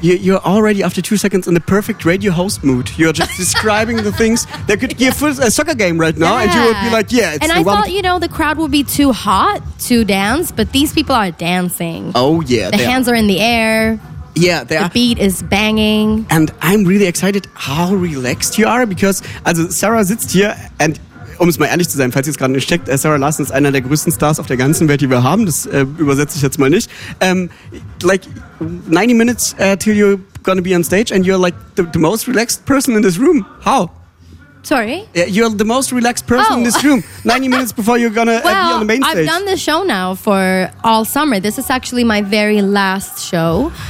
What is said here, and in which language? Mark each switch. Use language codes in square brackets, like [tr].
[en] You're already, after 2 seconds, in the perfect radio host mood. You're just describing the things that could be a soccer game right now. Yeah. And you would be like, yeah, it's And the I one. Thought, you know, the crowd would be too hot to dance, but these people are dancing. Oh yeah. The hands are in the air. Yeah, the beat is banging. And I'm really excited how relaxed you are, because also Sarah [de] sitzt hier [en] and... [de] Um es mal ehrlich zu sein, falls ihr es gerade nicht checkt, Sarah Larsen ist einer der größten Stars auf der ganzen Welt, die wir haben. Das übersetze ich jetzt mal nicht. [en] Like 90 minutes till you're gonna be on stage and you're like the most relaxed person in this room. How? Sorry? Yeah, you're the most relaxed person in this room. 90 minutes before you're gonna be on the main stage. Well, I've done this show now for all summer. This is actually my very last show.